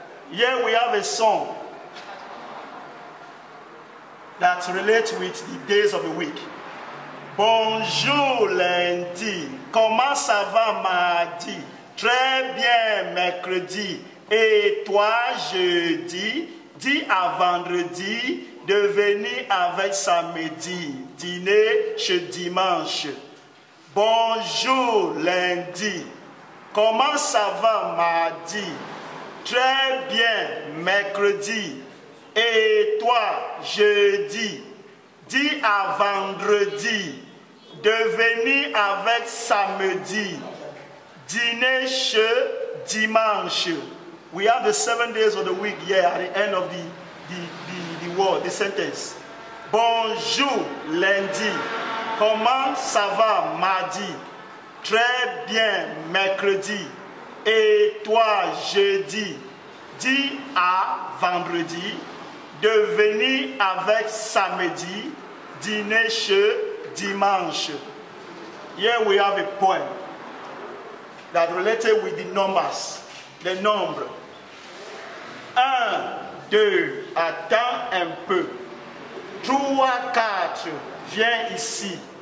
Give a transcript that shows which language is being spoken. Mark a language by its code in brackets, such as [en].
[en] Here we have a song that relates with the days of the week. [fr] Bonjour lundi, comment ça va mardi? Très bien mercredi, et toi jeudi? Dis à vendredi de venir avec samedi, dîner chez dimanche. Bonjour lundi. Comment ça va mardi? Très bien mercredi. Et toi jeudi? Dis à vendredi de venir avec samedi. Dîner chez dimanche. [en] We have the 7 days of the week here at the end of the word, the sentence. [fr] Bonjour lundi. Comment ça va mardi? Très bien mercredi. Et toi jeudi? Dis à vendredi de venir avec samedi. Dîner chez dimanche. [en] Here we have a poem that related with the numbers, the number. [fr] 1, 2, attends un peu. 3, 4, viens ici.